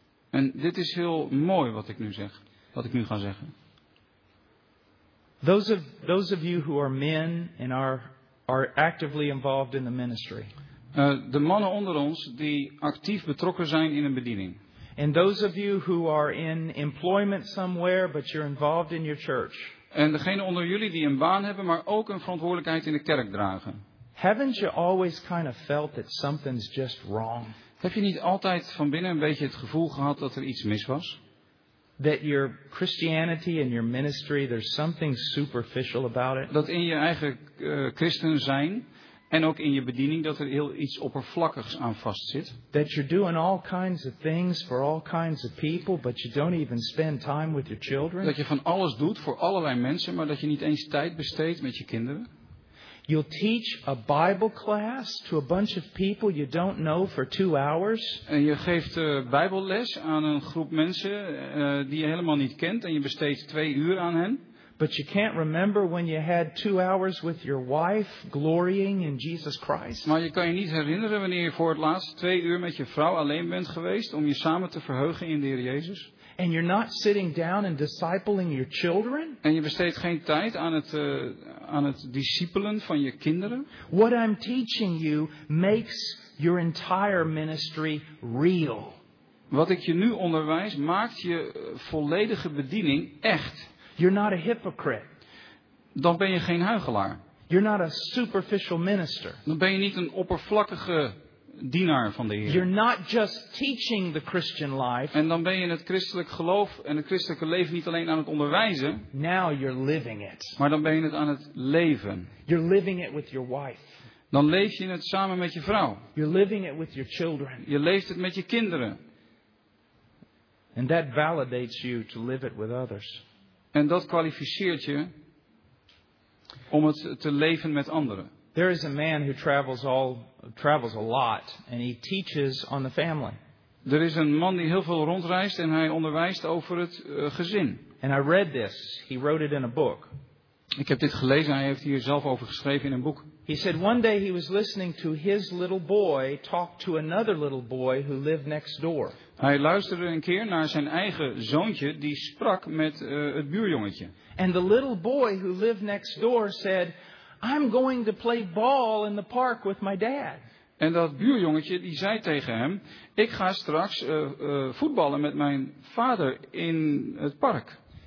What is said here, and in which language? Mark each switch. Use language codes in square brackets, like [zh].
[nl] En dit is heel mooi wat ik nu zeg. Wat ik nu ga zeggen. [en] Those of you who are men and are actively involved in the ministry. [nl] De mannen onder ons die actief betrokken zijn in een bediening. [en] And those of you who are in employment somewhere but you're involved in your church. [nl] En degene onder jullie die een baan hebben maar ook een verantwoordelijkheid in de kerk dragen. [en] Haven't you always kind of felt that something's just wrong? [nl] Heb je niet altijd van binnen een beetje het gevoel gehad dat er iets mis was? [en] That your Christianity and your ministry, there's something superficial about it. [nl] Dat in je eigen christen zijn en ook in je bediening dat er heel iets oppervlakkigs aan vastzit. [en] That you're doing all kinds of things for all kinds of people, but you don't even spend time with your children. [nl] Dat je van alles doet voor allerlei mensen, maar dat je niet eens tijd besteedt met je kinderen. [en] You'll teach a Bible class to a bunch of people you don't know for 2 hours. [nl] En je geeft Bijbelles aan een groep mensen die je helemaal niet kent en je besteedt 2 uur aan hen. [en] But you can't remember when you had 2 hours with your wife glorying in Jesus Christ. [nl] Maar je kan je niet herinneren wanneer je voor het laatst 2 uur met je vrouw alleen bent geweest om je samen te verheugen in de Heer Jezus. [en] And you're not sitting down and discipling your children? [nl] En je besteedt geen tijd aan het discipelen van je kinderen? [en] What I'm teaching you makes your entire ministry real. [nl] Wat ik je nu onderwijs maakt je volledige bediening echt. [en] You're not a hypocrite. [nl] Dan ben je geen huichelaar. [en] You're not a superficial minister. [nl] Dan ben je niet een oppervlakkige dienaar van de Heer. [en] You're not just teaching the Christian life. [nl] En dan ben je het christelijk geloof en het christelijke leven niet alleen aan het onderwijzen. [en] Now you're living it. [nl] Maar dan ben je het aan het leven. [en] You're living it with your wife. [nl] Dan leef je het samen met je vrouw. [en] You're living it with your children. [nl] Je leeft het met je kinderen. [en] And that validates you to live it with others. [nl] En dat kwalificeert je om het te leven met anderen. [en] There is a man who travels a lot and he teaches on the family. [nl] Er is een man die heel veel rondreist en hij onderwijst over het gezin. [en] And I read this. He wrote it in a book. [nl] Ik heb dit gelezen. Hij heeft hier zelf over geschreven in een boek. [en] He said one day he was listening to his little boy talk to another little boy who lived next door. [nl] Hij luisterde een keer naar zijn eigen zoontje die sprak met het buurjongetje. [en] And the little boy who lived next door said, I'm going to play ball in the park with my dad. [nl] En dat buurjongetje die zei tegen hem, ik ga straks voetballen met mijn vader in het park.